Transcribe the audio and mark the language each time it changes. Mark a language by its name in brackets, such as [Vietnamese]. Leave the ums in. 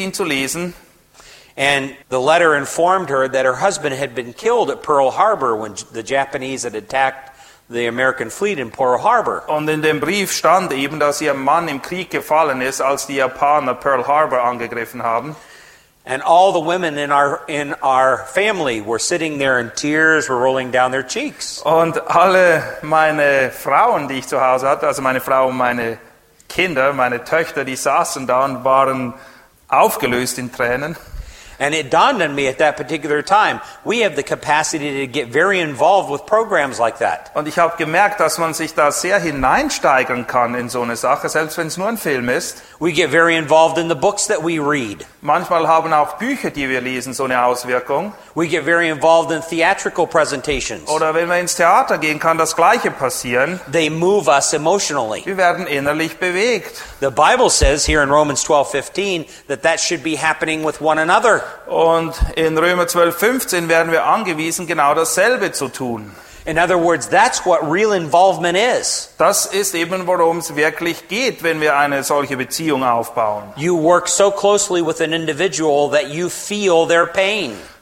[English] And the letter informed her that her husband had been killed at Pearl Harbor when the Japanese had attacked the American fleet in Pearl Harbor. [German] Und in dem Brief stand eben, dass ihr Mann im Krieg gefallen ist, als die Japaner Pearl Harbor angegriffen haben. [English] And all the women in our in our family were sitting there in tears, were rolling down their cheeks. [German] Und alle meine Frauen, die ich zu Hause hatte, also meine Frau und meine Kinder, meine Töchter, die saßen da und waren aufgelöst in Tränen. [English] And it dawned on me at that particular time, we have the capacity to get very involved with programs like that. [German] Und ich habe gemerkt, dass man sich da sehr hineinsteigern kann in so eine Sache, selbst wenn es nur ein Film ist. [English] We get very involved in the books that we read. [German] Manchmal haben auch Bücher, die wir lesen, so eine Auswirkung. [English] We get very involved in theatrical presentations. [German] Oder wenn wir ins Theater gehen, kann das gleiche passieren. [English] They move us emotionally. [German] Wir werden innerlich bewegt. [English] The Bible says here in Romans 12:15 that that should be happening with one another. [German] Und in Römer 12, 15 werden wir angewiesen, genau dasselbe zu tun. [English] In other words, that's what real involvement is. [German] Das ist eben worum es wirklich geht, wenn wir eine solche Beziehung aufbauen. [English] You work so closely with an individual that you feel their pain.